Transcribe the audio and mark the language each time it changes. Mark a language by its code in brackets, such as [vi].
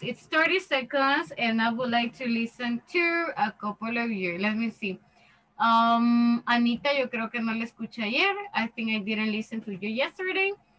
[en] It's 30 seconds, and I would like to listen to a couple of you. Let me see. [es] Anita, yo creo que no la escuché ayer. [en] I think I didn't listen to you yesterday.